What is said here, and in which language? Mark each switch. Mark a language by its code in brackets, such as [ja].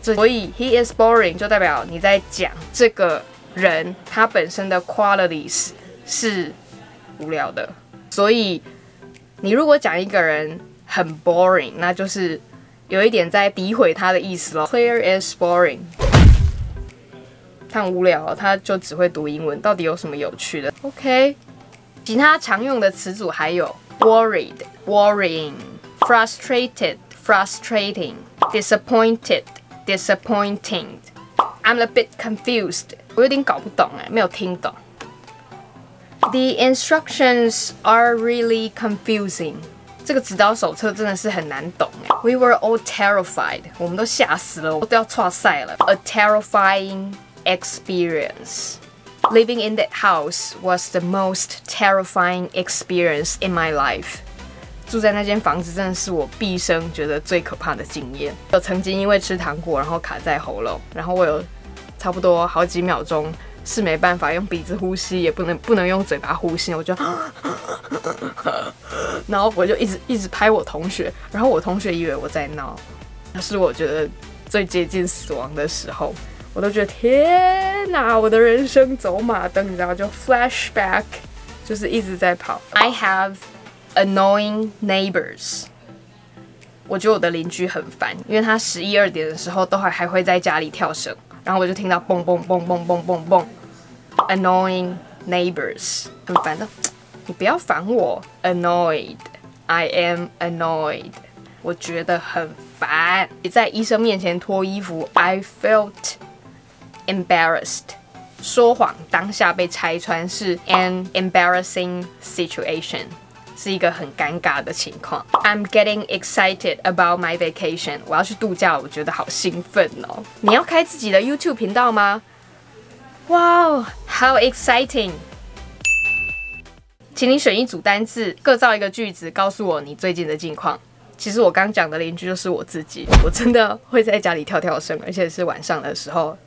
[zh] 所以 [en] he is boring [zh] 就代表你在讲这个人他本身的 qualities 是无聊的。所以你如果讲一个人很 boring， 那就是有一点在诋毁他的意思咯。 [en] Claire is boring， [zh] 他很无聊，他就只会读英文，到底有什么有趣的？ OK， 其他常用的词组还有 [en] worried worrying frustrated frustrating disappointed disappointing I'm a bit confused， [zh] 我有点搞不懂耶，没有听懂。 [en] The instructions are really confusing. [zh] 这个指导手册真的是很难懂。 [en] We were all terrified. [zh] 我们都吓死了，我都要挫赛了。 [en] A terrifying experience. Living in that house was the most terrifying experience in my life. [zh] 住在那间房子真的是我毕生觉得最可怕的经验。我曾经因为吃糖果然后卡在喉咙，然后我有差不多好几秒钟是没办法用鼻子呼吸，也不能用嘴巴呼吸，我就，然后我就一直拍我同学，然后我同学以为我在闹，那是我觉得最接近死亡的时候。我都觉得天哪，我的人生走马灯，你知道，就 flashback， 就是一直在跑。 [en] I have annoying neighbors。 [zh] 我觉得我的邻居很烦，因为他十一二点的时候都还会在家里跳绳，然后我就听到蹦蹦蹦蹦蹦蹦蹦 ， [en] annoying neighbors， [zh] 很烦的。你不要烦我 ，annoyed， [en] I am annoyed， [zh] 我觉得很烦。在医生面前脱衣服 ， [en] I felt embarrassed， [zh] 说谎当下被拆穿是 [en] an embarrassing situation。 [zh] 是一个很尴尬的情况。 [en] I'm getting excited about my vacation. [zh] 我要去度假了，我觉得好兴奋哦。你要开自己的 YouTube 频道吗？ [en] 哇、wow, ，How exciting！ [zh] 请你选一组单字，各造一个句子，告诉我你最近的近况。其实我刚讲的邻居就是我自己，我真的会在家里跳跳绳，而且是晚上的时候。